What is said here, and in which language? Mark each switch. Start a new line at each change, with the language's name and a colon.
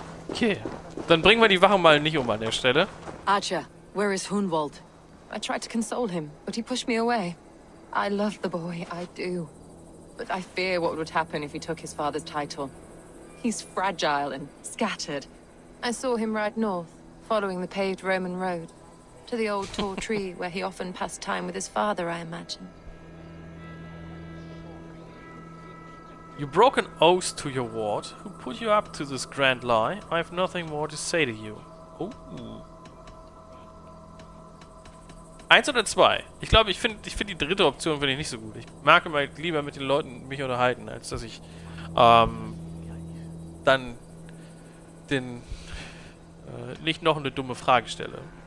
German: Okay, dann bringen wir die Wache mal nicht um an der Stelle.
English: Archer, where is Hunwald? I tried to console him, but he pushed me away. I love the boy, I do. But I fear what would happen if he took his father's title. He's fragile and scattered. I saw him ride north, following the paved Roman road, to the old tall tree where he often passed time with his father, I imagine. You broke an oath to your ward, who put you up to this grand lie. I have nothing more to say to you. Oh.
German: Eins oder zwei? Ich glaube, ich finde die dritte Option finde ich nicht so gut. Ich mag immer lieber mit den Leuten mich unterhalten, als dass ich dann den nicht noch eine dumme Frage stelle.